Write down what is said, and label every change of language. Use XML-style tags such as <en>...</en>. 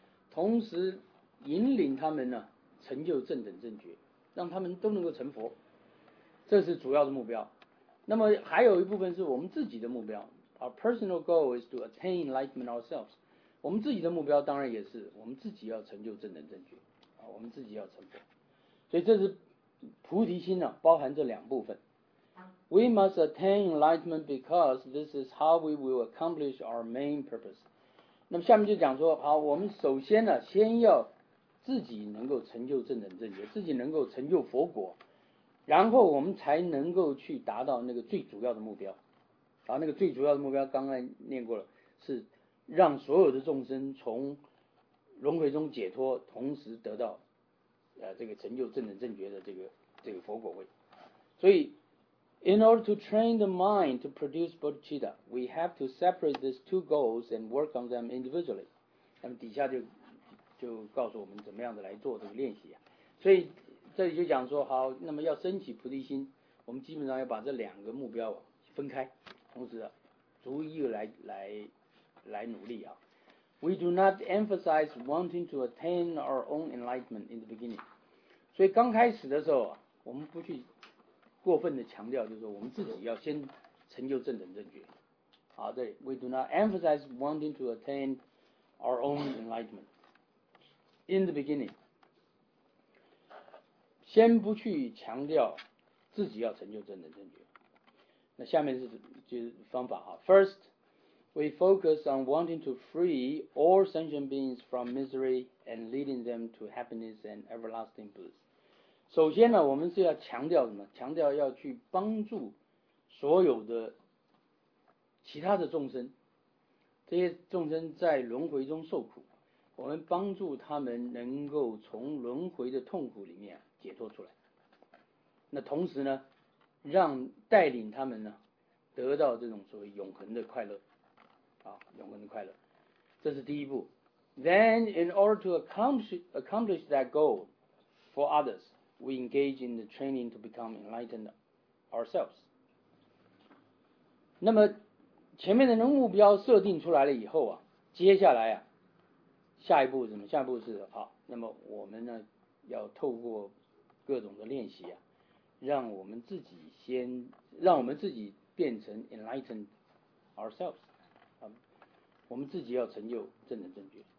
<zh>同时引领他们呢，成就正等正觉，让他们都能够成佛，这是主要的目标。那么还有一部分是我们自己的目标 ，</zh> <en>Our personal goal is to attain enlightenment ourselves。</en> <zh>我们自己的目标当然也是我们自己要成就正等正觉，啊，我们自己要成佛。所以这是菩提心呢、啊，包含这两部分。</zh> <en>We must attain enlightenment because this is how we will accomplish our main purpose.</en> <zh>那么下面就讲说，好，我们首先呢、啊，先要自己能够成就正等正觉，自己能够成就佛果，然后我们才能够去达到那个最主要的目标。然后那个最主要的目标，刚才念过了，是让所有的众生从轮回中解脱，同时得到这个成就正等正觉的这个佛果位。所以</zh> <en>in order to train the mind to produce bodhicitta, we have to separate these two goals and work on them individually.</en> <zh>那么底下就告诉我们怎么样的来做这个练习、啊、所以这里就讲说，好，那么要升起菩提心，我们基本上要把这两个目标、啊、分开，同时、啊、逐一来努力啊。</zh> <en>We do not emphasize wanting to attain our own enlightenment in the beginning.</en> <zh>所以刚开始的时候，我们不去过分的强调，就是说我们自己要先成就正等正觉。好，对</zh> <en>，We do not emphasize wanting to attain our own enlightenment in the beginning。</en> <zh>先不去强调自己要成就真人正觉，那下面是就是方法哈。</zh> <en>First, we focus on wanting to free all sentient beings from misery and leading them to happiness and everlasting bliss。</en> <zh>首先呢，我们是要强调什么？强调要去帮助所有的其他的众生，这些众生在轮回中受苦，我们帮助他们能够从轮回的痛苦里面解脱出来。那同时呢，让带领他们呢得到这种所谓永恒的快乐，啊，永恒的快乐，这是第一步。</zh> <en>Then, in order to accomplish that goal for others, we engage in the training to become enlightened ourselves。</en> <zh>那么前面的目标设定出来了以后啊，接下来啊，下一步是什么？下一步是好，那么我们呢要透过各种的练习啊，让我们自己变成</zh> <en>enlightened ourselves，</en> <zh>啊，我们自己要成就正等正觉。</zh>